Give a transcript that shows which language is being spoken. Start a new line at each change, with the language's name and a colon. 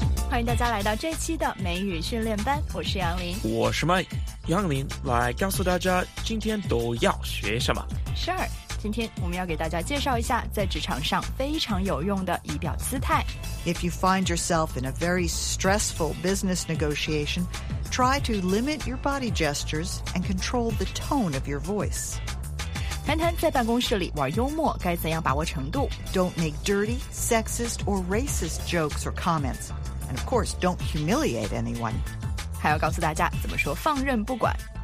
Chinese: 欢迎大家来到这期的美语训练班，我是杨林。我是麦杨林，来告诉大家今天都要学什么。是儿，今天我们要给大家介绍一下在职场上非常有用的仪表姿态。
English: If you find yourself in a very stressful business negotiation, try to limit your body gestures and control the tone of your voice.
Chinese: 谈谈在办公室里玩幽默该怎样把握程度。
English: Don't make dirty, sexist, or racist jokes or comments. And of course, don't humiliate anyone.
Chinese: 还要告诉大家怎么说放任不管。